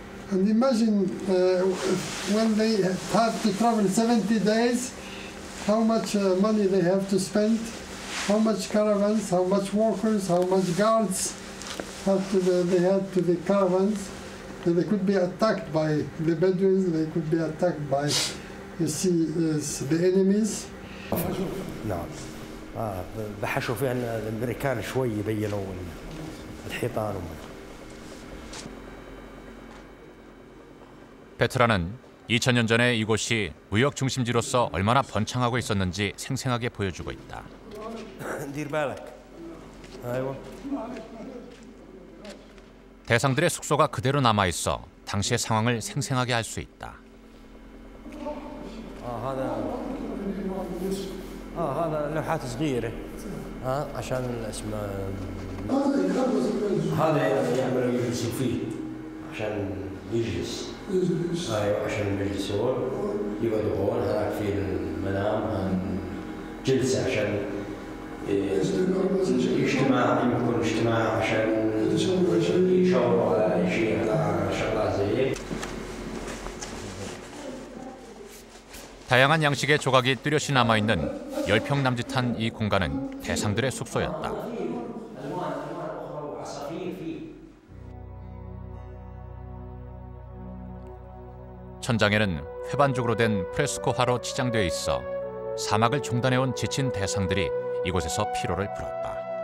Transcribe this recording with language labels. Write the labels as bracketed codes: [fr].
[en] And imagine when they have to travel 70 days, how much money they have to spend. How much caravans, how much workers, how much guards they had to the caravans. They could be attacked by the Bedouins, they could be attacked by, you see, the enemies. No. [ar] بحشوا فيها الأمريكان شوي يبينوا الحيطان. [ko] Petra는 2000년 전에 이곳이 무역 중심지로서 얼마나 번창하고 있었는지 생생하게 보여주고 있다. [ar] دير بالك. أيوة. [ko] 대상들의 숙소가 그대로 남아 있어 당시의 상황을 생생하게 할 수 있다. 아, 하나. 아, 하나. [ar] لوحات صغيرة. 아, عشان الاسم. هذا يعمل يجلسوا فيه عشان يجلس. أيوة عشان يجلسوا يقعدوا هون هناك في المنام جلسة عشان اجتماع يكون اجتماع عشان يشاوروا على شيء على شغلات زي هيك [ko] 다양한 양식의 조각이 뚜렷이 남아 있는 10평 남짓한 이 공간은 대상들의 숙소였다. 천장에는 회반죽으로 된 프레스코화로 치장돼 있어 사막을 종단해 온 지친 대상들이 이곳에서 피로를 풀었다.